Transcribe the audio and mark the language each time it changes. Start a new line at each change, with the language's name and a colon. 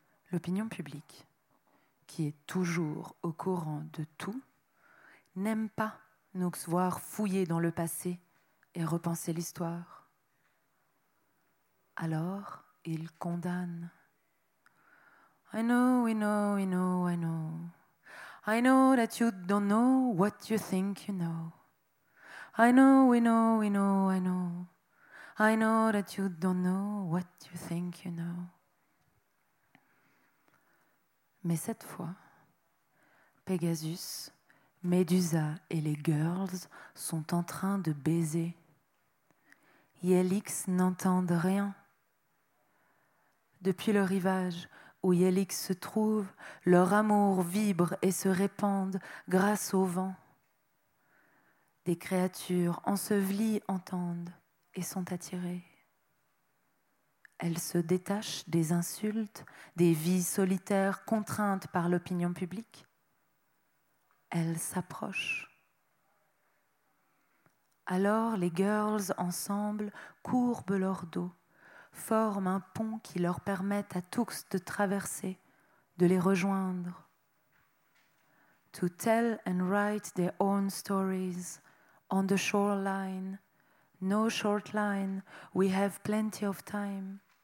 French: L'opinion publique, qui est toujours au courant de tout, n'aime pas nous voir fouiller dans le passé et repenser l'histoire. Alors, il condamne.
English: I know, I know, I know, I know. I know that you don't know what you think you know. I know, I know, I know, I know. I know that you don't know what you think you know.
French: Mais cette fois, Pegasus, Médusa et les girls sont en train de baiser. Yelix n'entendent rien. Depuis le rivage où Yelix se trouve, leur amour vibre et se répand grâce au vent. Des créatures ensevelies entendent et sont attirées. Elles se détachent des insultes, des vies solitaires contraintes par l'opinion publique. Elles s'approchent. Alors les girls ensemble courbent leur dos, forment un pont qui leur permet à tous de traverser, de les rejoindre.
English: To tell and write their own stories on the shoreline. No short line, we have plenty of time.